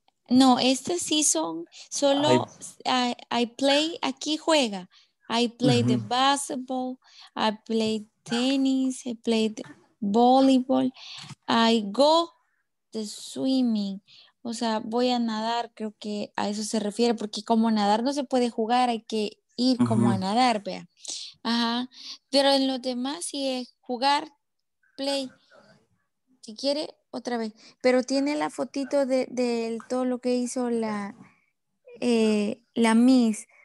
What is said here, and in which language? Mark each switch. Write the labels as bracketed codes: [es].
[es] No, esta season solo [en] I play, [es] aquí juega. [en] I play the basketball, I play tennis, I play the volleyball, I go the swimming. [es] O sea, voy a nadar, creo que a eso se refiere, porque como nadar no se puede jugar, hay que ir como a nadar, vea. Ajá. Pero en los demás sí es jugar, play. Si quiere, otra vez. Pero tiene la fotito de todo lo que hizo la Miss.